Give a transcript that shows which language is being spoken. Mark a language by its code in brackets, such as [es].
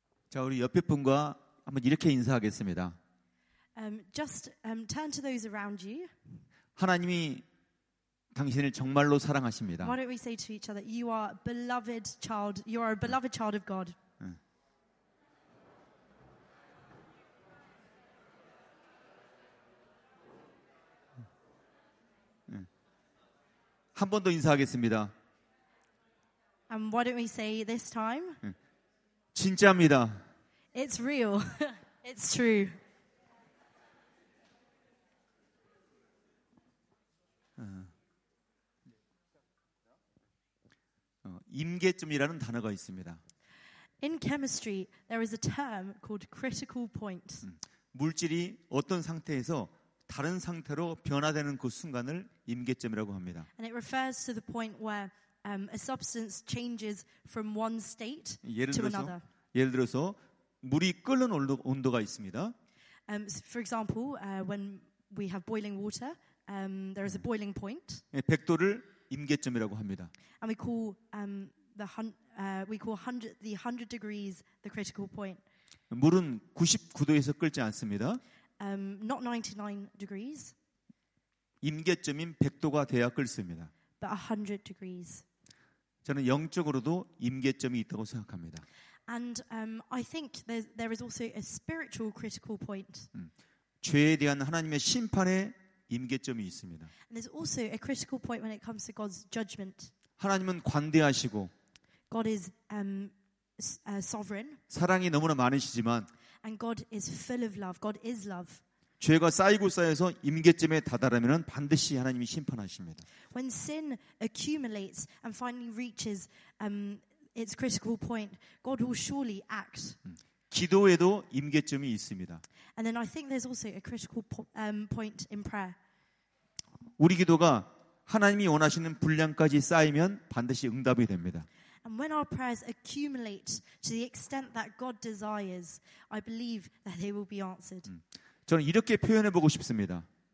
[ko] 자, 우리 옆에 분과 한번 이렇게 인사하겠습니다. [en] Turn to those around you. [ko] 하나님이 당신을 정말로 사랑하십니다. [en] Why don't we say to each other, you are a beloved child. You are a beloved child of God. [ko] 한 번 더 인사하겠습니다. [en] And why don't we say this time? [ko] 진짜입니다. [en] It's real. It's true. [ko] 임계점이라는 단어가 있습니다. [en] In chemistry, there is a term called critical point. [ko] 물질이 어떤 상태에서 다른 상태로 변화되는 그 순간을 임계점이라고 합니다. [en] And it refers to the point where a substance changes from one state to another. [ko] 예를 들어서 물이 끓는 온도가 있습니다. [en] For example, when we have boiling water, there is a boiling point. [ko] 100도를 임계점이라고 합니다. [en] And we call the 100 degrees the critical point. [ko] 물은 99도에서 끓지 않습니다. [en] Not 99 degrees. [ko] 임계점인 100도가 돼야 끓습니다. [en] But 100 degrees. [ko] 저는 영적으로도 임계점이 있다고 생각합니다. [en] And I think there is also a spiritual critical point. [ko] 죄에 대한 하나님의 심판의 임계점이 있습니다. [en] And there's also a critical point when it comes to God's judgment. [ko] 하나님은 관대하시고 [en] God is sovereign. [ko] 사랑이 너무나 많으시지만 [en] And God is full of love. God is love. [ko] 죄가 쌓이고 쌓여서 임계점에 다다르면 반드시 하나님이 심판하십니다. [en] When sin accumulates and finally reaches its critical point, God will surely act. [ko] 기도에도 임계점이 있습니다. [en] And then I think there's also a critical point in prayer. [ko] 우리 기도가 하나님이 원하시는 분량까지 쌓이면 반드시 응답이 됩니다. [en] And when our prayers accumulate to the extent that God desires, I believe that they will be answered. [ko] 저는 이렇게 표현해 보고 싶습니다.